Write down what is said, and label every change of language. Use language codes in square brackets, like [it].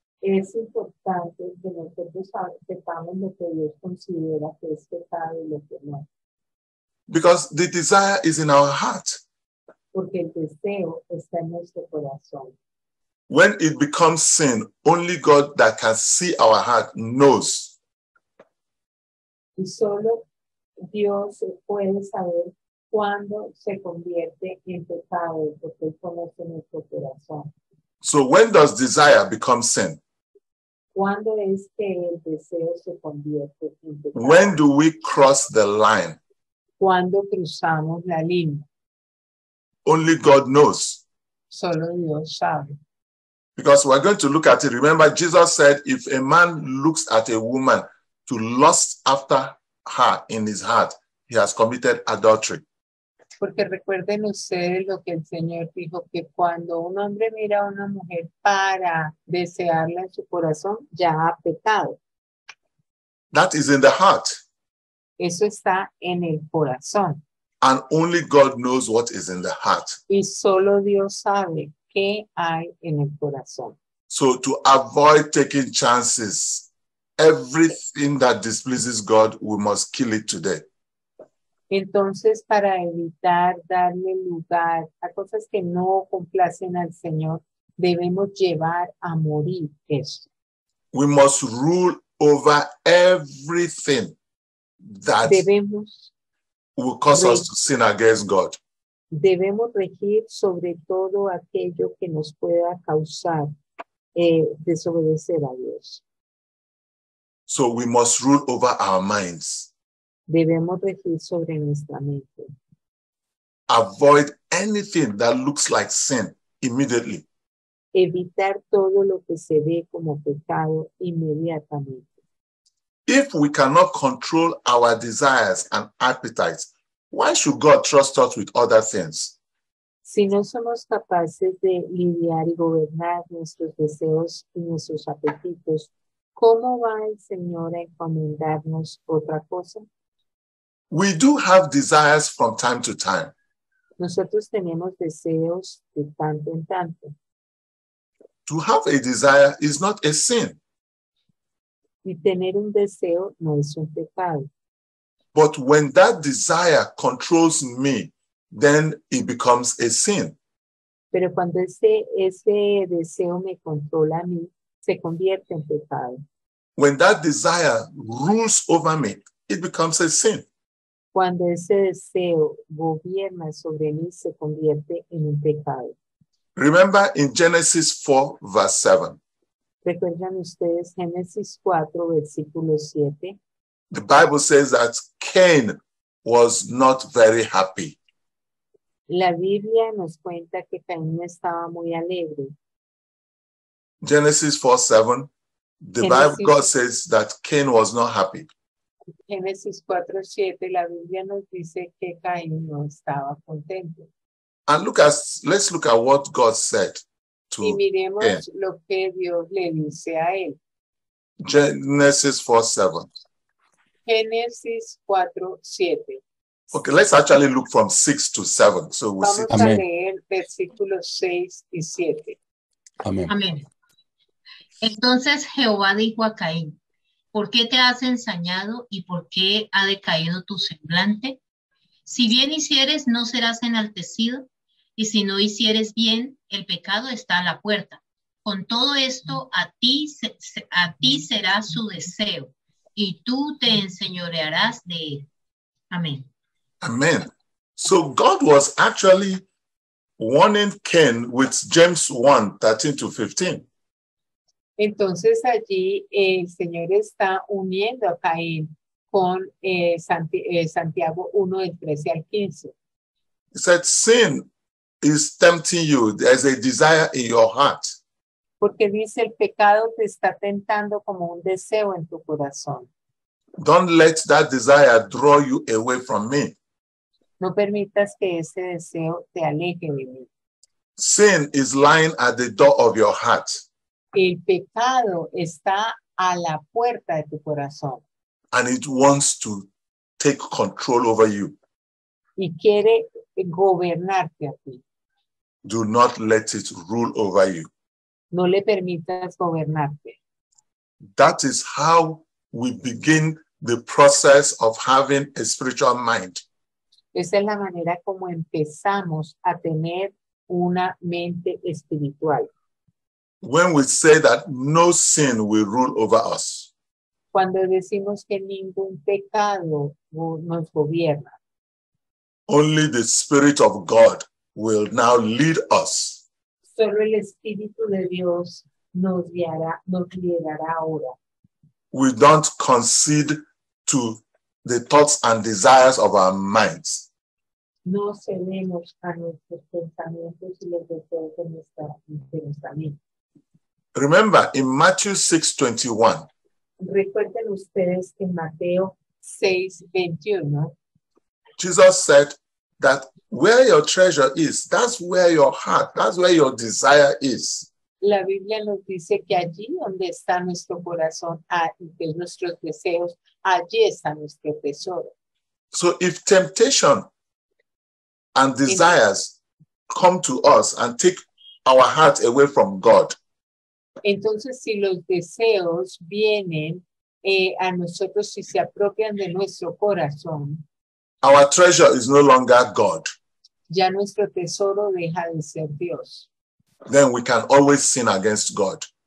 [es] Es importante que nosotros sepamos lo que Dios considera que es pecado y lo que no. [en] Because the desire is in our heart. [es] Porque el deseo está en nuestro corazón. [en] When it becomes sin, only God that can see our heart knows. [es] Y solo Dios puede saber cuándo se convierte en pecado, porque él conoce nuestro corazón. [en] So when does desire become sin? [es] ¿Cuándo es que el deseo se convierte en pecado? [en] When do we cross the line? [es] ¿Cuándo cruzamos la línea? [en] Only God knows. [es] Solo Dios sabe. [en] Because we're going to look at it. Remember, Jesus said, if a man looks at a woman to lust after her in his heart, he has committed adultery. [es] Porque recuerden ustedes lo que el Señor dijo, que cuando un hombre mira a una mujer para desearla en su corazón, ya ha pecado. [en] That is in the heart. [es] Eso está en el corazón. [en] And only God knows what is in the heart. [es] Y solo Dios sabe qué hay en el corazón. [en] So to avoid taking chances, everything that displeases God, we must kill it today. [es] Entonces, para evitar darle lugar a cosas que no complacen al Señor, debemos llevar a morir eso. [en] We must rule over everything that [es] debemos [en] will cause us to sin against God. [es] Debemos regir sobre todo aquello que nos pueda causar desobedecer a Dios. [en] So we must rule over our minds. [es] Debemos regir sobre nuestra mente. [en] Avoid anything that looks like sin immediately. [es] Evitar todo lo que se ve como pecado inmediatamente. [en] If we cannot control our desires and appetites, why should God trust us with other things? [es] Si no somos capaces de lidiar y gobernar nuestros deseos y nuestros apetitos, ¿cómo va el Señor a encomendarnos otra cosa? [en] We do have desires from time to time. [es] Nosotros tenemos deseos de tanto en tanto. [en] To have a desire is not a sin. [es] Y tener un deseo no es un pecado. [en] But when that desire controls me, then it becomes a sin. [es] Pero cuando ese deseo me controla a mí, se convierte en pecado. [en] When that desire rules over me, it becomes a sin. [es] Cuando ese deseo gobierna sobre mí, se convierte en un pecado. [en] Remember in Genesis 4, verse 7. [es] ¿Recuerdan ustedes Génesis 4, versículo 7? [en] The Bible says that Cain was not very happy. [es] La Biblia nos cuenta que Caín no estaba muy alegre. [en] Genesis 4, 7. God says that Cain was not happy. [es] Génesis 4, 7, la Biblia nos dice que Caín no estaba contento. [en] And let's look at what God said to [es] Cain. Y miremos lo que Dios le dice a él. [en] Genesis 4, 7. [es] Génesis 4, 7. [en] Okay, let's actually look from 6 to 7. So we'll see. [es] Vamos a leer versículos 6 y 7. Amén. Entonces Jehová dijo a Caín, ¿por qué te has ensañado y por qué ha decaído tu semblante? Si bien hicieres, no serás enaltecido, y si no hicieres bien, el pecado está a la puerta. Con todo esto, a ti será su deseo, y tú te enseñorearás de él. Amén. Amén. [en] So God was actually warning Cain with James 1, 13 to 15. [es] Entonces allí el Señor está uniendo a Caín con Santiago 1, del 13 al 15. [en] He said, sin is tempting you as a desire in your heart. [es] Porque dice, el pecado te está tentando como un deseo en tu corazón. [en] Don't let that desire draw you away from me. [es] No permitas que ese deseo te aleje de mí. [en] Sin is lying at the door of your heart. [es] El pecado está a la puerta de tu corazón. [en] And it wants to take control over you. [es] Y quiere gobernarte a ti. [en] Do not let it rule over you. [es] No le permitas gobernarte. [en] That is how we begin the process of having a spiritual mind. [es] Esa es la manera como empezamos a tener una mente espiritual. [en] When we say that no sin will rule over us. [es] Cuando decimos que ningún pecado nos gobierna. [en] Only the Spirit of God will now lead us. [es] Solo el Espíritu de Dios nos guiará, nos guiará ahora. [en] We don't concede to the thoughts and desires of our minds. [es] No cedemos a nuestros pensamientos y los deseos de nuestra mente. [en] Remember, in Matthew 6:21. [es] Recuerden ustedes en Mateo 6:21. [en] Jesus said that where your treasure is, that's where your heart, that's where your desire is. [es] La Biblia nos dice que allí donde está nuestro corazón, de nuestros deseos, allí está nuestro tesoro. [en] So if temptation and desires come to us and take our heart away from God. [es] Entonces, si los deseos vienen a nosotros y se apropian de nuestro corazón, [en] our treasure is no longer God. [es] Ya nuestro tesoro deja de ser Dios. [en] Then we can always sin against God.